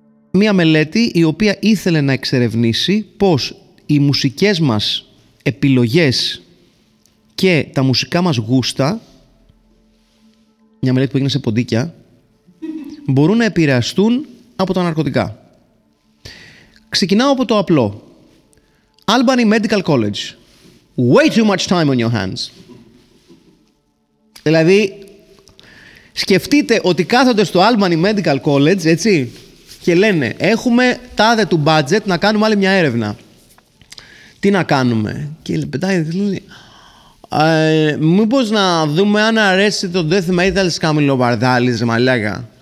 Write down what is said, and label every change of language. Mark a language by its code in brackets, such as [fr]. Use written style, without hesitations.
[el] Μία μελέτη η οποία ήθελε να εξερευνήσει πώς οι μουσικές μας επιλογές και τα μουσικά μας γούστα, μια μελέτη που έγινε σε ποντίκια, μπορούν να επηρεαστούν από τα ναρκωτικά. Ξεκινάω από το απλό. [en] Albany Medical College. Way too much time on your hands. [el] Δηλαδή, σκεφτείτε ότι κάθονται στο Albany Medical College, έτσι, και λένε, έχουμε τάδε του budget να κάνουμε άλλη μια έρευνα. Τι να κάνουμε? Και λέει, μήπως να δούμε αν αρέσει το death metal της Καμιλοβαρδάλης, μαλάκα.